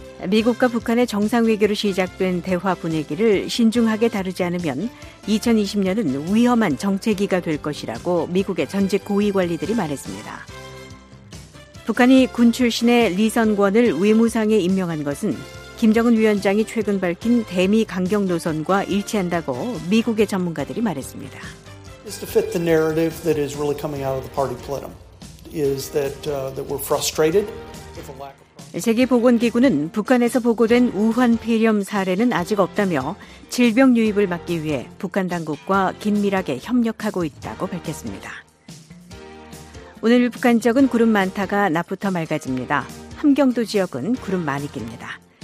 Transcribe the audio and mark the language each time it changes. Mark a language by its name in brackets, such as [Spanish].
[Korean] 미국과 북한의 정상회교로 시작된 대화 분위기를 신중하게 다루지 않으면 2020년은 위험한 정체기가 될 것이라고 미국의 전직 고위관리들이 말했습니다. 북한이 군 출신의 리선권을 외무상에 임명한 것은 김정은 위원장이 최근 밝힌 대미 강경 노선과 일치한다고 미국의 전문가들이 말했습니다. [English] It's to fit the narrative that is really coming out of the party plenum is that we're frustrated with a lack of. [Korean] 세계보건기구는 북한에서 보고된 우한 폐렴 사례는 아직 없다며 질병 유입을 막기 위해 북한 당국과 긴밀하게 협력하고 있다고 밝혔습니다. 오늘 북한 지역은 구름 많다가 낮부터 맑아집니다. 함경도 지역은 구름 많이 낍니다.